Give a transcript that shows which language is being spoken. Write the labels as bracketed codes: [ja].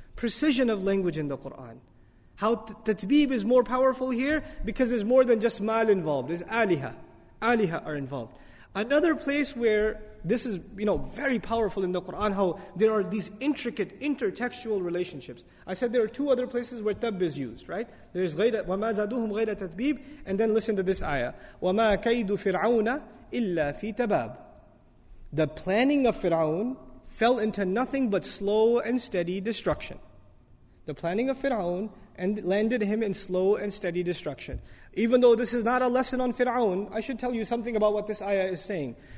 [en] Precision of language in the Qur'an. How tatbib is more powerful here? Because there's more than just mal involved. There's aliha. Aliha are involved. Another place where this is, you know, very powerful in the Qur'an, how there are these intricate intertextual relationships. I said there are two other places where tab is used, right? [ar] There's غَيْرَ وَمَا زَادُوهُمْ غَيْرَ تَتْبِيبٍ. [en] And then listen to this ayah. [ar] وَمَا كَيْدُ فِرْعَوْنَ إِلَّا فِي تَبَابٍ. [en] The planning of Fir'aun fell into nothing but slow and steady destruction. The planning of Fir'aun and landed him in slow and steady destruction. Even though this is not a lesson on Fir'aun, I should tell you something about what this ayah is saying.